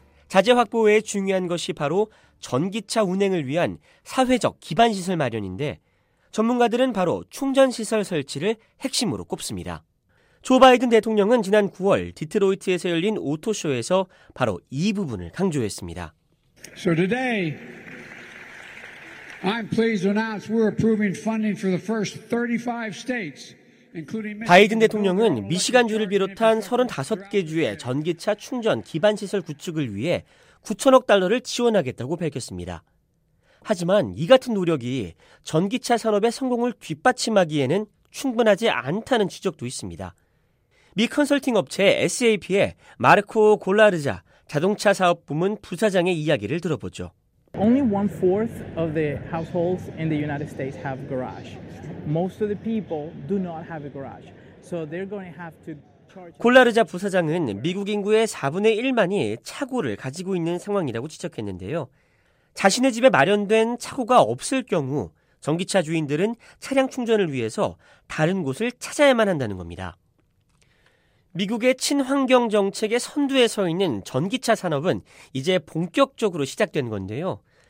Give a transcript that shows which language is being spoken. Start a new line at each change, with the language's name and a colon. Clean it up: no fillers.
Korean: 자재 확보 외에 중요한 것이 바로 전기차 운행을 위한 사회적 기반시설 마련인데 전문가들은 바로 충전시설 설치를 핵심으로 꼽습니다. 조 바이든 대통령은 지난 9월 디트로이트에서 열린 오토쇼에서 바로 이 부분을 강조했습니다.
English: So today, I'm pleased to announce we're approving funding for the first 35 states.
Korean: 바이든 대통령은 미시간주를 비롯한 35개 주의 전기차 충전 기반시설 구축을 위해 9천억 달러를 지원하겠다고 밝혔습니다. 하지만 이 같은 노력이 전기차 산업의 성공을 뒷받침하기에는 충분하지 않다는 지적도 있습니다. 미 컨설팅 업체 SAP의 마르코 골라르자 자동차 사업 부문 부사장의 이야기를 들어보죠.
English: Only one fourth of the households in the United States have garage. Most of the people do not have a garage. So they're going to have to charge.
Korean: 골라르자 부사장은 미국 인구의 4분의 1만이 차고를 가지고 있는 상황이라고 지적했는데요. 자신의 집에 마련된 차고가 없을 경우 전기차 주인들은 차량 충전을 위해서 다른 곳을 찾아야만 한다는 겁니다. 미국의 친환경 정책의 선두에 서 있는 전기차 산업은 이제 본격적으로 시작된 건데요.